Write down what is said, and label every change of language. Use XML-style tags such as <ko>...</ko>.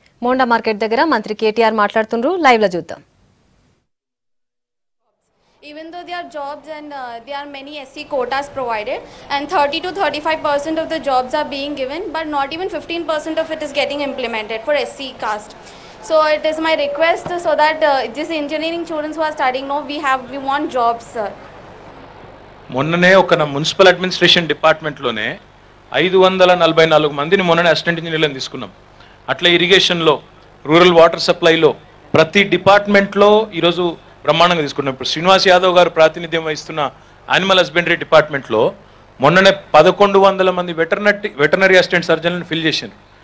<te>Monda market దగ్గర మంత్రి కేటీఆర్ మాట్లాడుతున్నారు. లైవ్ లో చూద్దాం.</te> <en>Even though there are jobs and there are many SC quotas provided and 30 to 35% of the jobs are being given, but not even 15% of it is getting implemented for SC caste. So it is my request so that these engineering students who are studying now, we want jobs, sir.</en> <te>మొన్ననే ఒక municipal administration డిపార్ట్మెంట్లోనే 544 మందిని మొన్ననే assistant ఇంజనీర్లను తీసుకున్నాం. అట్లా ఇరిగేషన్లో, rural water సప్లైలో ప్రతి డిపార్ట్మెంట్లో ఈరోజు బ్రహ్మాండంగా తీసుకున్నాం. ఇప్పుడు శ్రీనివాస్ యాదవ్ గారు ప్రాతినిధ్యం వహిస్తున్న యానిమల్ హస్బెండరీ డిపార్ట్మెంట్లో మొన్ననే 1100 మంది వెటనరీ అసిస్టెంట్ సర్జన్లను ఫిల్ చేశారు.</te>